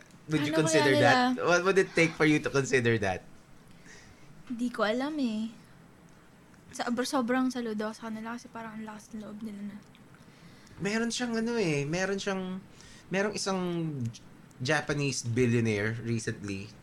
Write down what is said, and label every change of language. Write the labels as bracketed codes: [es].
[en] Would you consider that? What would it take for you to consider that? [tl] Di ko alam eh. Sobrang saludo sa kanila kasi parang ang lakas ng loob nila na. Meron siyang ano eh. Merong isang Japanese billionaire recently.